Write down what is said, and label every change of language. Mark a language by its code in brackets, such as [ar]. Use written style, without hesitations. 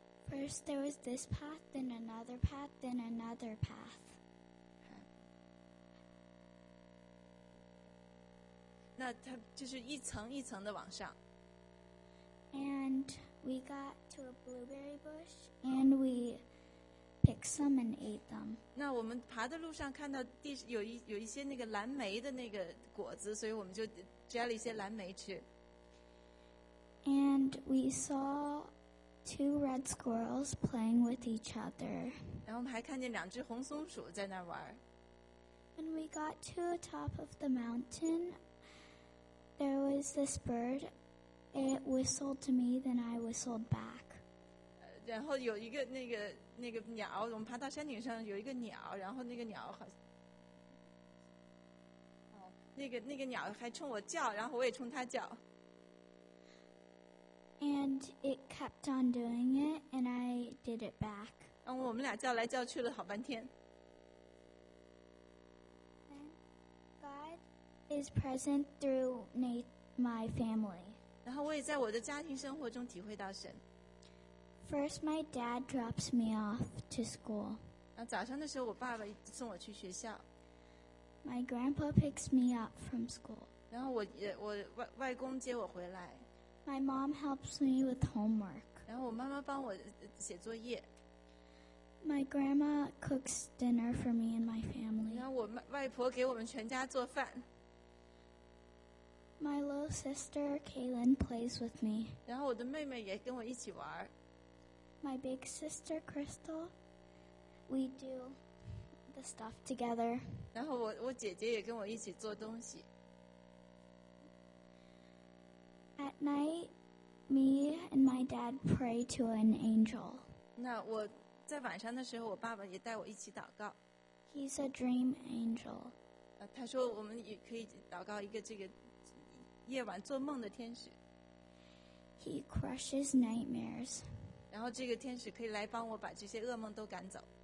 [en] First there was this path, then another path, then another path. [zh] 那它就是一层一层的往上。 [en] And we got to a blueberry bush, and we picked some and ate them. [zh] 那我们爬的路上看到地有一些那个蓝莓的那个果子，所以我们就摘了一些蓝莓吃。 [en] And we saw two red squirrels playing with each other. [zh] 然后我们还看见两只红松鼠在那玩。 [en] When we got to the top of the mountain, there was this bird. It whistled to me, then I whistled back. [zh] 然后有一个那个鸟，我们爬到山顶上有一个鸟，然后那个鸟好，那个鸟还冲我叫，然后我也冲它叫。 [en] And it kept on doing it, and I did it back. [zh] 然后我们俩叫来叫去了好半天。 [en] God is present through my family. [zh] 然后我也在我的家庭生活中体会到神。 [en] First, my dad drops me off to school. [zh] 然后早上的时候，我爸爸送我去学校。 [en] My grandpa picks me up from school. [zh] 然后我外公接我回来。 [en] My mom helps me with homework. [zh] 然后我妈妈帮我写作业。 [en] My grandma cooks dinner for me and my family. [zh] 然后我外婆给我们全家做饭。 [en] My little sister Kaylin plays with me. [zh] 然后我的妹妹也跟我一起玩。 [en] My big sister Crystal, we do the stuff together. [zh] 然后我姐姐也跟我一起做东西。 [en] At night, me and my dad pray to an angel. [zh] 那我在晚上的时候，我爸爸也带我一起祷告。 [en] He's a dream angel. [zh] 他说我们也可以祷告一个这个。夜晚做梦的天使。 [en] He crushes nightmares. [zh] 然后这个天使可以来帮我把这些噩梦都赶走。